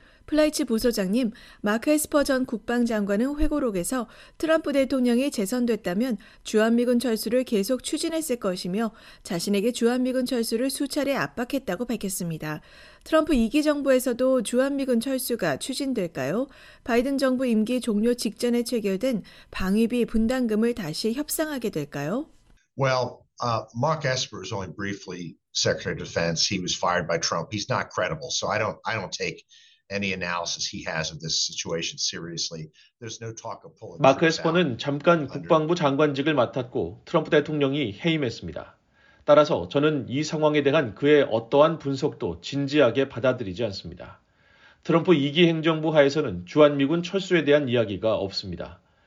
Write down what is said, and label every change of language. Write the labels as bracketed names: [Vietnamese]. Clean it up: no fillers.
[Korean] 플라이츠 부소장님, 마크 에스퍼 전 국방장관은 회고록에서 트럼프 대통령이 재선됐다면 주한미군 철수를 계속 추진했을 것이며 자신에게 주한미군 철수를 수차례 압박했다고 밝혔습니다. 트럼프 2기 정부에서도 주한미군 철수가 추진될까요? 바이든 정부 임기 종료 직전에 체결된 방위비 분담금을 다시 협상하게 될까요? [English] Well, Mark Esper is only briefly Secretary of Defense. He was fired by Trump. He's not credible, so I don't take any analysis he has of this situation seriously. There's no talk of pulling. [Korean] 마크 에스퍼는 잠깐 국방부 장관직을 맡았고 트럼프 대통령이 해임했습니다. 따라서 저는 이 상황에 대한 그의 어떠한 분석도 진지하게 받아들이지 않습니다. 트럼프 2기 행정부 하에서는 주한미군 철수에 대한 이야기가 없습니다.